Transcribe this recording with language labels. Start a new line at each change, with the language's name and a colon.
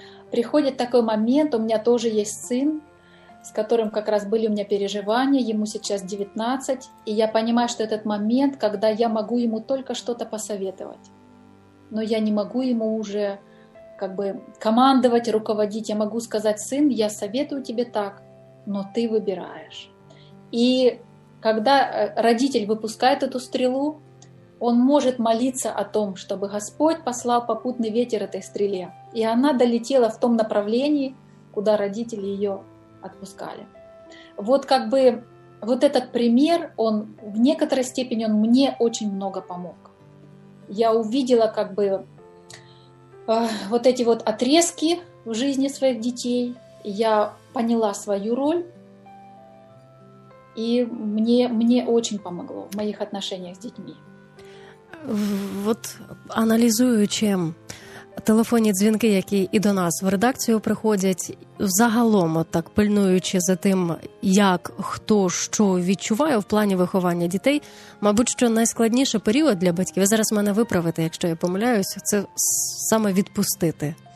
Ukrainian: Приходить такий момент, у мене теж є син, з яким якраз були у мене переживання, йому зараз 19, і я розумію, що цей момент, коли я можу йому тільки щось посоветувати. Але я не можу йому вже командувати, руководити. Я можу сказати: син, я советую тебе так,
Russian: но ты выбираешь. И когда родитель выпускает эту стрелу, он может молиться о том, чтобы Господь послал попутный ветер этой стреле. И она долетела в том направлении, куда родители ее отпускали. Вот вот этот пример, он в некоторой степени он мне очень много помог. Я увидела вот эти вот отрезки в жизни своих детей, я поняла свою роль, и мне очень помогло в моих отношениях с детьми.
Ukrainian: Вот аналізуючи телефонні дзвінки, які і до нас в редакцію приходять, взагалом, так пильнуючи за тим, як хто що відчуває в плані виховання дітей, мабуть, що найскладніший період для батьків, ви зараз мене виправите, якщо я помиляюсь, це саме відпустити.